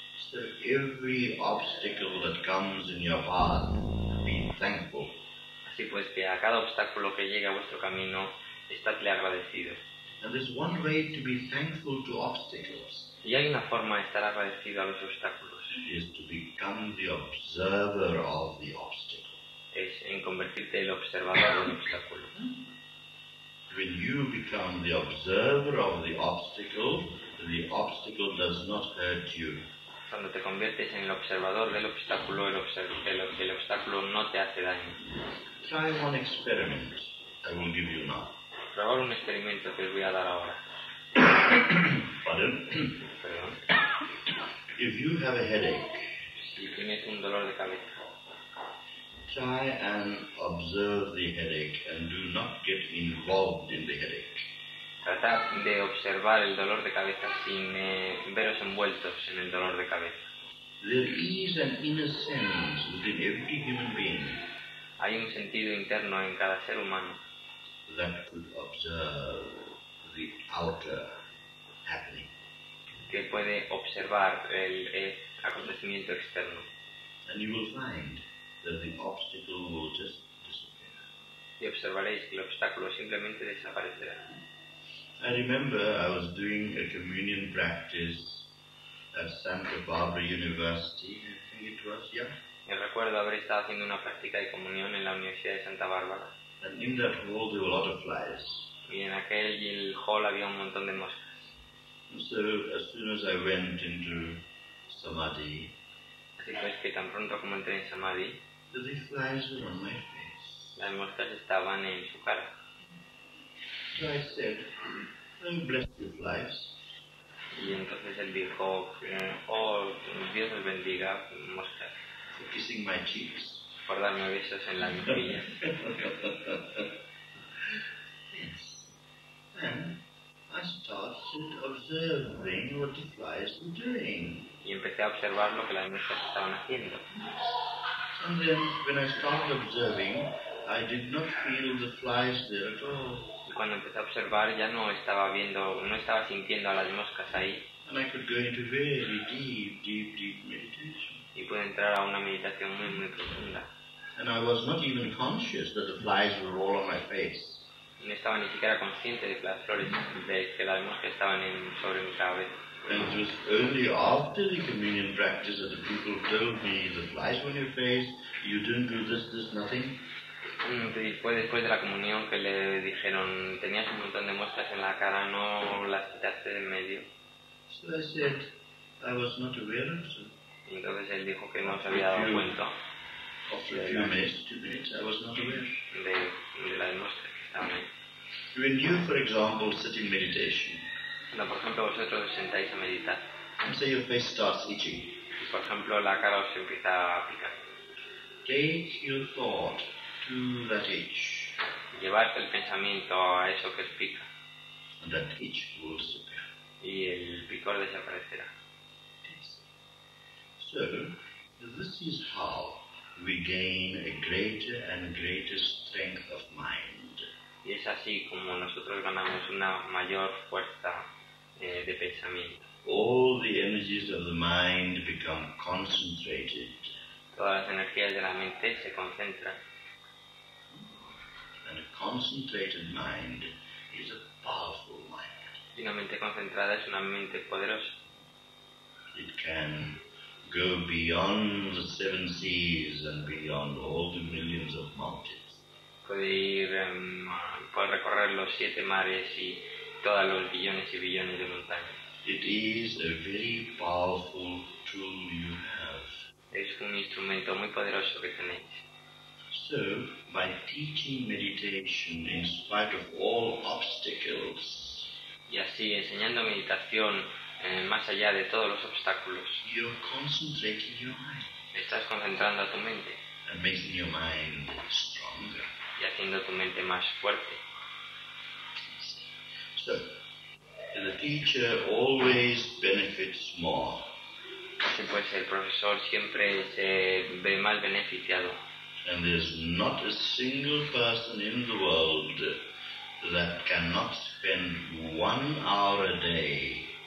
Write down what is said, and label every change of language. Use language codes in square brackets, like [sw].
[en] So every obstacle that comes in your path, be thankful. [es] Así pues, que a cada obstáculo que llegue a vuestro camino, estadle agradecido. [en] And there's one way to be thankful to obstacles. [es] Y hay una forma de estar agradecido a los obstáculos. [en] Is to become the observer of the obstacle. [es] Es en convertirte el observador del obstáculo. [en] When you become the observer of the obstacle does not hurt you. [es] Cuando te conviertes en el observador del obstáculo, el obstáculo no te hace daño. [en] Try one experiment I will give you now. [es] Probar un experimento que os voy a dar ahora. [en] Pardon? [es] Perdón. [en] If you have a headache, [es] si tienes un dolor de cabeza, [en] try and observe the headache and do not get involved in the headache. [es] Tratad de observar el dolor de cabeza sin veros envueltos en el dolor de cabeza. [en] There is an inner sense within every human being. [es] Hay un sentido interno en cada ser humano [en] that could observe the outer happening. [es] Que puede observar el acontecimiento externo. [en] And you will find that the obstacle will just disappear. [es] Y observaréis que el obstáculo simplemente desaparecerá. [en] I remember I was doing a communion practice at Santa Barbara University, I think it was, yeah. [es] Yo recuerdo haber estado haciendo una práctica de comunión en la Universidad de Santa Bárbara. [en] And in that hall there were a lot of flies. [es] Y en aquel hall había un montón de moscas. [en] And so as soon as I went into Samadhi, [es] así pues que tan pronto como entré en Samadhi, [en] the flies were on my face. [es] Las moscas estaban en su cara. [en] So I said, I'm blessed with flies. [es] Y entonces él dijo, oh, Dios me bendiga, mosca. [en] For kissing my cheeks. [es] Por darme besos en la mejilla. [en] Yes. And I started observing what the flies were doing. [es] Y empecé a observar lo que las moscas estaban haciendo. [en] Yes. And then when I started observing, I did not feel the flies there at all. [es] Cuando empecé a observar ya no estaba viendo, no estaba sintiendo a las moscas ahí. [en] And I could go into very deep, deep, deep meditation. [es] Y pude entrar a una meditación muy, muy profunda. [en] And I was not even conscious that the flies were all on my face. [es] No estaba ni siquiera consciente de que las flores, de que las moscas estaban en, sobre mi cabeza. [en] And it was only after the communion practice that the people told me the flies were on your face, you didn't do this, this, nothing. [es] Y fue después de la comunión que le dijeron, tenías un montón de muestras en la cara, no las quitaste de en medio. [en] So I said, I was not aware of them. [es] Y entonces él dijo que no se había dado cuenta. [en] After a few minutes, 2 minutes, I was not aware. [es] De las muestras que estaban [en] ahí. When you, for example, sit in meditation, [es] cuando, por ejemplo, vosotros os sentáis a meditar, [en] and say your face starts itching, [es] y por ejemplo, la cara os empieza a picar, [en] take your thought to that itch. [es] Llevarte el pensamiento a eso que os pica. [en] And that itch will disappear. [es] Y el picor desaparecerá. [en] Yes. So, this is how we gain a greater and greater strength of mind. [es] Y es así como nosotros ganamos una mayor fuerza de pensamiento. [en] All the energies of the mind become concentrated. [es] Todas las energías de la mente se concentran. [en] And a concentrated mind is a powerful mind. [es] Y una mente concentrada es una mente poderosa. [en] It can go beyond the seven seas and beyond all the millions of mountains. [es] Puede ir, puede recorrer los siete mares y todos los billones y billones de montañas. [en] It is a very powerful tool you have. [es] Es un instrumento muy poderoso que tenéis. [en] So, by teaching meditation in spite of all obstacles, [es] y así, enseñando meditación más allá de todos los obstáculos, [en] you're concentrating your mind. [es] Estás concentrando a tu mente. [en] And making your mind stronger. [es] Y haciendo tu mente más fuerte. [en] So, the teacher always benefits more. [es] Así pues, el profesor siempre se ve más beneficiado. [en] And there's not a single person in the world that cannot spend 1 hour a day.